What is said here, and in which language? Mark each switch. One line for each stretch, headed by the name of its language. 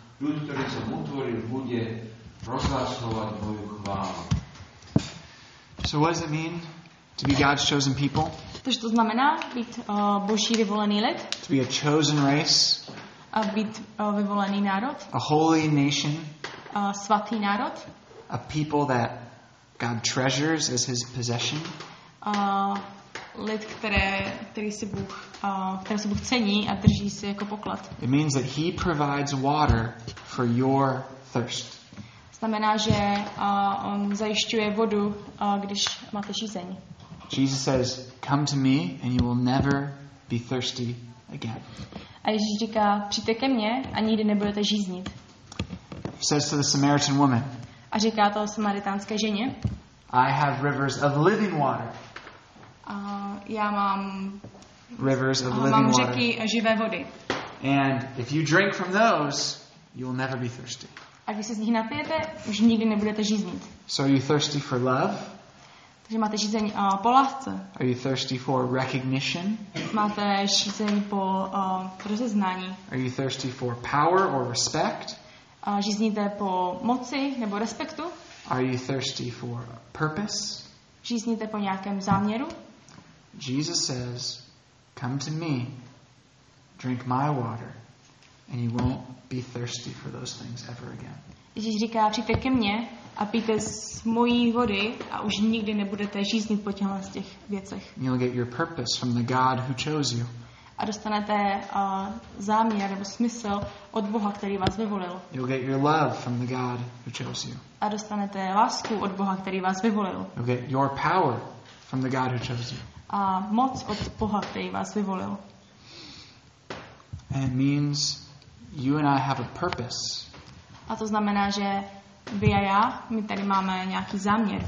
Slovak: Ľud, ktorý som utvoril, bude rozhlasovať moju chválu.
English: So what does it mean? To be God's chosen people.
Czech: Takže to znamená být Boží vyvolený lid.
English: To be a chosen race.
Czech: A být vyvolený národ.
English: A holy nation.
Czech: A svatý národ.
English: A people that God treasures as his possession.
Czech: A lid, který si Bůh cení a drží si jako poklad.
English: It means that he provides water for your thirst.
Czech: Znamená, že on zajišťuje vodu, když máte žízeň.
English: Jesus says, come to me and you will never be thirsty again.
Czech: A Ježíš říká, přijďte ke mně a nikdy nebudete žíznit.
English: He says to the Samaritan woman.
Czech: A říká to samaritánské ženě.
English: I have rivers of living water.
Czech: Já mám
English: rivers of living water.
Czech: Mám řeky živé vody.
English: And if you drink from those, you will never be thirsty.
Czech: A když se z nich napijete, už nikdy nebudete žíznit.
English: So are you thirsty for love?
Czech: Že máte žízeň po lásce.
English: Are you thirsty for recognition?
Czech: Máte žízeň po rozeznání.
English: Are you thirsty for power or respect?
Czech: Žízníte po moci nebo respektu?
English: Are you thirsty for purpose?
Czech: Žízníte po nějakém záměru?
English: Jesus says, come to me, drink my water, and you won't be thirsty for those things ever again.
Czech: Ježíš říká, přijďte ke mně a pijte z mojí vody a už nikdy nebudete žíznit po těchto z těch věcech.
English: You'll get your purpose from the God who chose you.
Czech: A dostanete záměr nebo smysl od Boha, který vás vyvolil.
English: You'll get your love from the God who chose you.
Czech: A dostanete lásku od Boha, který vás vyvolil.
English: You'll get your power from the God who chose you.
Czech: A moc od Boha, ktorý vás vyvolil.
English: And it means you and I have a purpose.
Czech: A to znamená, že vy a ja, my tady máme nejaký zámier.